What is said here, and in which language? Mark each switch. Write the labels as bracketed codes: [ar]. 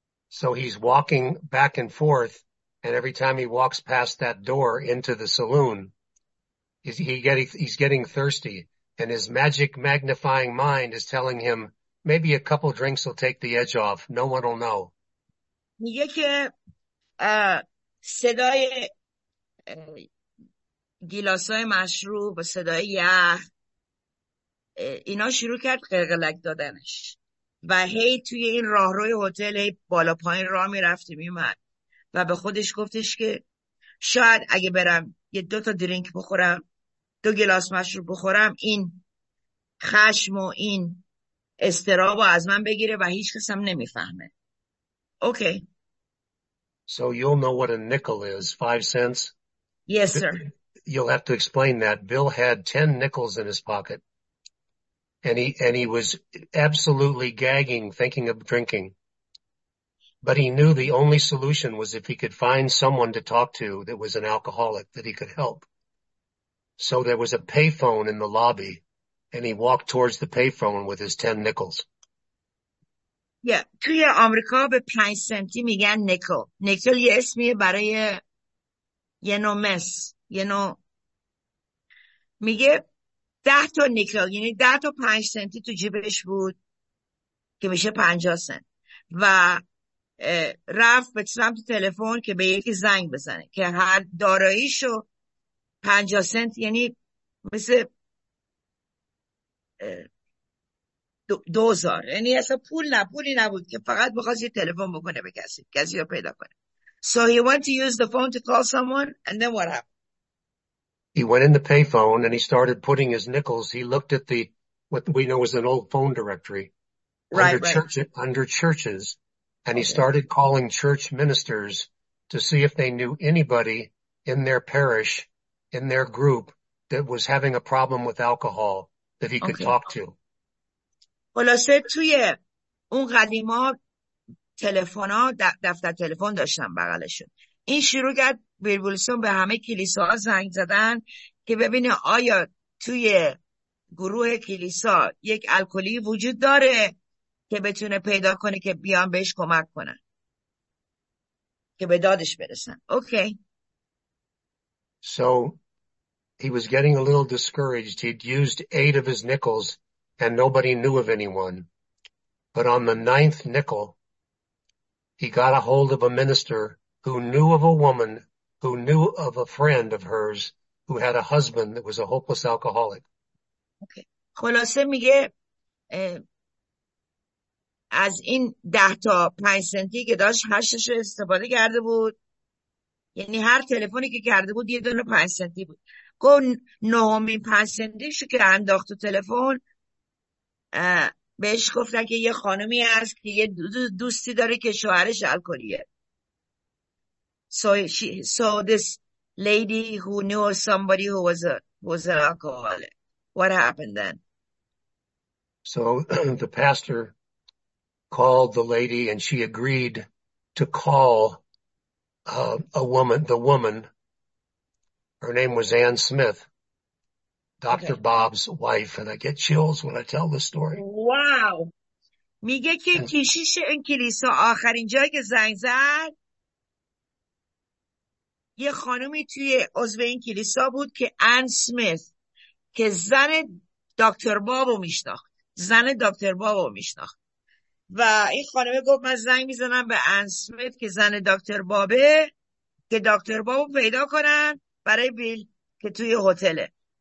[en] So he's walking back and forth, and every time he walks past that door into the saloon, he's getting thirsty. And his magic magnifying mind is telling him maybe a couple drinks will take the edge off. No one will know. [fa] میگه که صدای گیلاسای مشروب و صدای یخ اینا شروع کرد قلقلک دادنش و هی توی این راهروی هتل هی بالا پایین راه میرفت میومد و به خودش گفتش که شاید اگه برم یه دو تا درینک بخورم دو گلاس مشروب بخورم این خشم و این استرابو از من بگیره و هیچ کسم نمیفهمه. [en] Okay. So you'll know what a nickel is, 5 cents? Yes, sir. You'll have to explain that. Bill had 10 nickels in his pocket, and he was absolutely gagging, thinking of drinking. But he knew the only solution was if he could find someone to talk to that was an alcoholic that he could help. So there was a payphone in the lobby, and he walked towards the payphone with his 10 nickels. [fa] توی آمریکا به 5 سنتی میگن نیکل. نیکل یه اسمیه برای یه نوع مس، یه نوع. میگه 10 تا نیکل، یعنی 10 تا 5 سنتی تو جیبش بود که میشه 50 سنت، و رفت به سمت تلفن که به یکی زنگ بزنه که هر داراییشو 50 سنت، یعنی مثل دوزار، یعنی اصلا پول نه پولی نبود که، فقط بخواست یه تلفن بکنه به کسی، کسی رو پیدا کنه. [en] So he went to use the phone to call someone, and then what happened? He went in the payphone and he started putting his nickels. He looked at the what we know is an old phone directory under churches, and he started calling church ministers to see if they knew anybody in their parish, in their group, that was having a problem with alcohol that he could talk to. [fa] خلاصه توی اون قدیما تلفن ها دفتر تلفن داشتن بغلشون. این شروع کرد بیربولسون به همه کلیساها زنگ زدن که ببینه آیا توی گروه کلیسا یک الکلی وجود داره که بتونه پیدا کنه که بیان بهش کمک کنن که به دادش برسن. [en] Okay. So he was getting a little discouraged. He'd used 8 of his nickels and nobody knew of anyone. But on the 9th nickel, he got a hold of a minister who knew of a woman who knew of a friend of hers who had a husband that was a hopeless alcoholic. Okay. [fa] خلاصه میگه از این 10 تا 5 سنتی که داشت 8ش استفاده کرده بود، یعنی هر تلفنی که کرده بود یه دونه 5 سنتی بود، گفت نهمین 5 سنتیشو که انداخت تو تلفن بهش گفتن که یه خانمی هست که یه دوستی داره که شوهرش الکلیه. [en] So this lady who knew somebody who was an alcoholic. What happened then? So the pastor called the lady and she agreed to call the woman. Her name was Ann Smith. Dr. Okay. Bob's wife, and I get chills when I tell this story. Wow. [fa] میگه که کشیش این کلیسا آخرین جایی که زنگ زد یه خانومی توی عضو این کلیسا بود که آن سمیت که زن دکتر بابو میشناخت. زن دکتر بابو میشناخت. و این خانومه گفت من زنگ میزنم به آن سمیت که زن دکتر بابه که دکتر بابو پیدا کنن برای بیل که توی هتله.